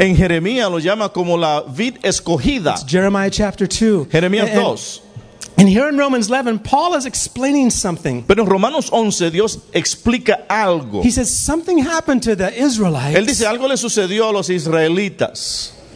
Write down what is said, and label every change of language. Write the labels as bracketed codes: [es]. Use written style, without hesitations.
[es] En Jeremías lo llama como la vid escogida. [en] It's Jeremiah chapter 2. [es] Jeremías 2. [en] And here in Romans 11, Paul is explaining something. [es] Pero en Romanos 11, Dios explica algo. [en] He says something happened to the Israelites. [es] Él dice algo le sucedió a los israelitas.